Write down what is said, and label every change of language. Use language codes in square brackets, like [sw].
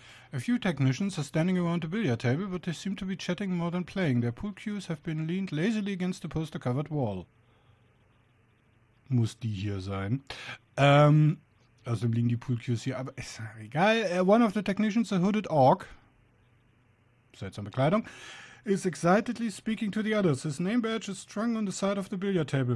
[en] A few technicians are standing around the billiard table, but they seem to be chatting more than playing. Their pool cues have been leaned lazily against the poster-covered wall. [de] Muss die hier sein? Also liegen die Pool-Cues hier, aber ist egal. [en] One of the technicians, a hooded orc, [de] seltsame Kleidung, [en] is excitedly speaking to the others. His name badge is strung on the side of the billiard table.